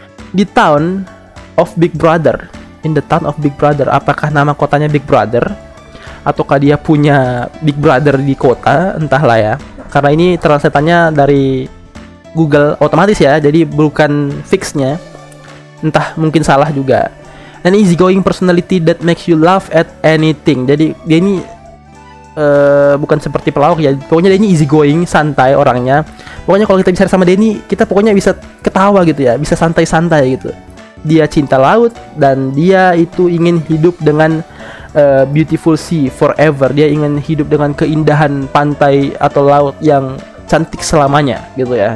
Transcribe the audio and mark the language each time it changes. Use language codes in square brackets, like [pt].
[en] Di town of Big Brother. In the town of Big Brother, [id] apakah nama kotanya [en] Big Brother? [id] Ataukah dia punya Big Brother di kota, entahlah ya. Karena ini translate-nya dari Google otomatis ya, jadi bukan fix-nya. Entah, mungkin salah juga. [en] An easygoing personality that makes you laugh at anything. [id] Jadi dia ini bukan seperti pelawak ya. Pokoknya dia ini easygoing, santai orangnya. Pokoknya kalau kita bisa sama dia ini, kita pokoknya bisa ketawa gitu ya, bisa santai-santai gitu. Dia cinta laut dan dia itu ingin hidup dengan [en] beautiful sea forever. [id] Dia ingin hidup dengan keindahan pantai atau laut yang cantik selamanya gitu ya.